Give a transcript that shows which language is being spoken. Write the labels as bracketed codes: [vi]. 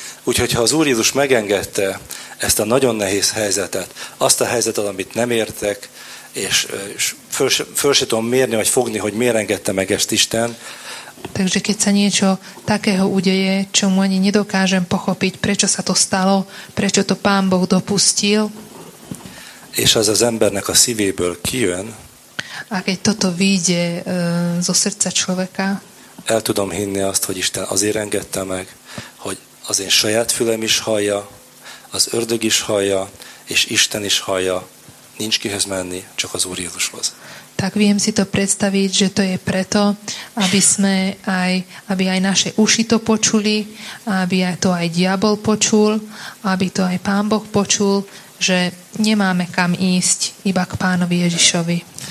[hu] Úgyhogy ha az Úr Jézus megengedte ezt a nagyon nehéz helyzetet, azt a helyzetet, amit nem értek, és föl se tudom mérni, vagy fogni, hogy miért engedte meg ezt Isten. [sk] Takže keď sa niečo takého udeje, čo mu ani nedokážem pochopiť, prečo sa to stalo, prečo to Pán Boh dopustil. [hu] És az az embernek a szívéből kijön. [sk] A keď toto vyjde zo srdca človeka. [hu] El tudom hinni azt, hogy Isten azért engedte meg, hogy az én saját fülem is hallja, az ördög is hallja, és Isten is hallja. Nincs kihez menni, csak az Úr Jézushoz. [sk] Tak viem si to predstaviť, že to je preto, aby aj naše uši to počuli, aby aj to aj diabol počul, aby to aj Pán Boh počul, že nemáme kam ísť, iba k Pánovi Ježišovi.